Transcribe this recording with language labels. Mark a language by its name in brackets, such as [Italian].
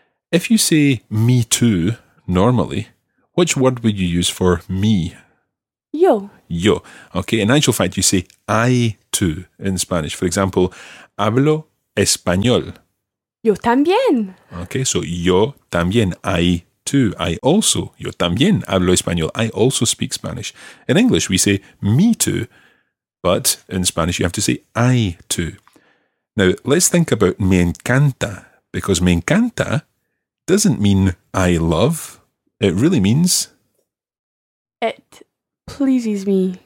[English] If you say me too normally, which word would you use for me? [Spanish] Yo. Yo. [English] Okay, in actual fact, you say I too in Spanish. For example, [Spanish] hablo español. Yo también. [English] Okay, so [Spanish] yo también, [English] I too, I also. [Spanish] Yo también hablo español, [English] I also speak Spanish. In English, we say me too, but in Spanish, you have to say I too. Now, let's think about [Spanish] me encanta, [English] because me encanta doesn't mean I love. It really means... it pleases me.